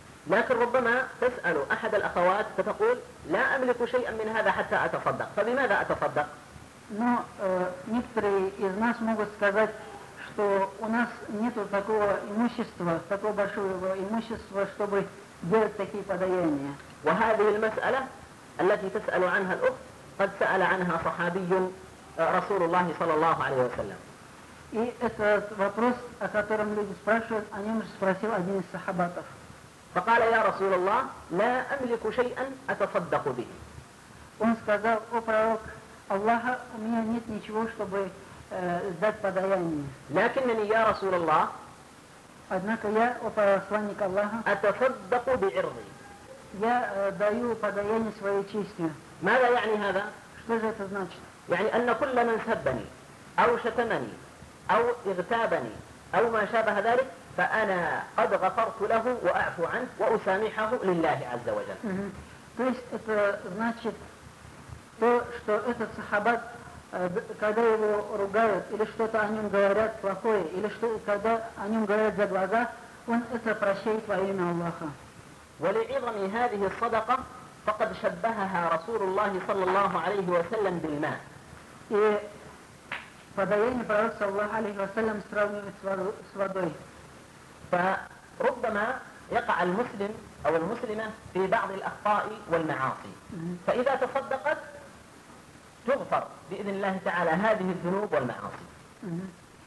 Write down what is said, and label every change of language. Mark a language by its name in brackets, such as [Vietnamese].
[Arabic] لكن ربما تسأل أحد الأخوات فتقول لا أملك شيئا من هذا حتى أتصدق، فبماذا أتصدق؟ [Russian] Но некоторые из нас могут сказать, что у нас нету такого имущества, такого большого имущества, чтобы делать такие подаяния. [Arabic] وهذه المسألة التي تسأل عنها الأخت قد سأل عنها صحابي رسول الله صلى الله عليه وسلم. [Russian] И этот вопрос, о котором люди спрашивают, о нем же спросил один из сахабатов. [Arabic] فقال يا رسول الله لا أملك شيئا أتصدق به. [Russian] Он сказал: о пророк Аллаха, у меня нет ничего, чтобы сдать подаяние. [Arabic] لكنني يا رسول الله. [Russian] Однако я, о посланник Аллаха. [Arabic] أتصدق بعرضي. [Russian] Я даю подаяние своей честью. [Arabic] ماذا يعني هذا؟ [Russian] Что же это значит? [Arabic] يعني أن كل من سبني أو شتمني أو اغتابني أو ما شابه ذلك. فأنا قد غفرت له وأعفو عنه وأسامحه لله عز وجل. [Russian] То есть это значит то, что этот сахабат, когда его ругают или что-то о нем говорят плохое, или что когда о нем говорят за глаза, он это прощает во имя Аллаха. [Arabic] ولعظم هذه الصدقة فقد شبهها رسول الله صلى الله عليه وسلم بالماء. [Russian] И подаяние пророка саллаллаху алейхи ва саллям сравнивает с водой. [Arabic] فربما يقع المسلم أو المسلمة في بعض الأخطاء والمعاصي، فإذا تصدقت تغفر بإذن الله تعالى هذه الذنوب والمعاصي.